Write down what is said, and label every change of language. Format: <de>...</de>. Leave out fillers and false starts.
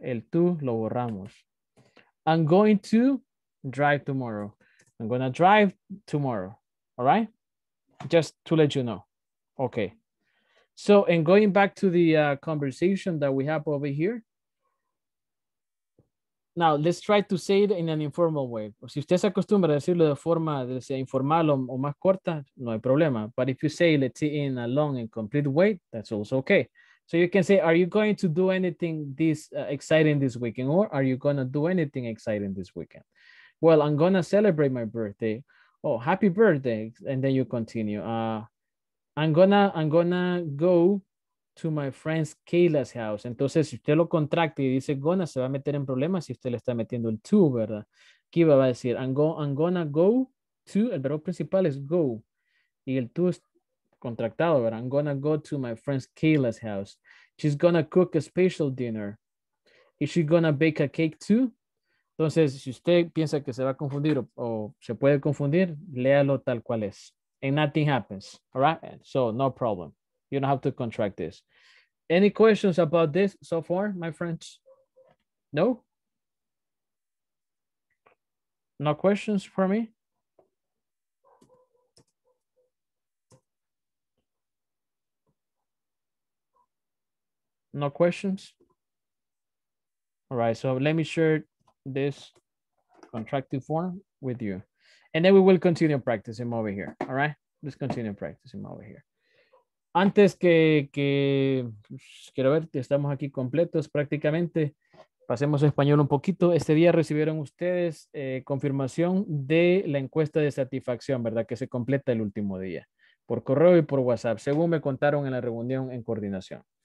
<es>El to lo borramos.</es> <en>I'm going to drive tomorrow. I'm gonna drive tomorrow, all right? Just to let you know. Okay. So, and going back to the conversation that we have over here. Now, let's try to say it in an informal way.</en> <es>Si usted se acostumbra a decirlo de forma de sea informal o más corta, no hay problema.</es> <en>But if you say, let's say, in a long and complete way, that's also okay. So you can say, are you going to do anything this exciting this weekend? Or are you going to do anything exciting this weekend? Well, I'm going to celebrate my birthday. Oh, happy birthday. And then you continue. I'm gonna go to my friend's Kayla's house.</en> <es>Entonces, si usted lo contracta y dice gonna, se va a meter en problemas si usted le está metiendo el to, ¿verdad? Aquí va a decir,</es> <en>I'm gonna go to,</en> <es>el verbo principal es go. Y el to es contractado, ¿verdad?</es> <en>I'm gonna go to my friend's Kayla's house. She's gonna cook a special dinner. Is she gonna bake a cake too? Entonces, si usted piensa que se va a confundir o se puede confundir, léalo tal cual es. And nothing happens, all right? So, no problem. You don't have to contract this. Any questions about this so far, my friends? No? No questions for me? No questions? All right, so let me share this contracting form with you. And then we will continue practicing over here, all right? Let's continue practicing over here.</en> <es>Antes que quiero ver que estamos aquí completos prácticamente, pasemos a español un poquito. Este día recibieron ustedes confirmación de la encuesta de satisfacción, ¿verdad? Que se completa el último día por correo y por WhatsApp, según me contaron en la reunión en coordinación.</es>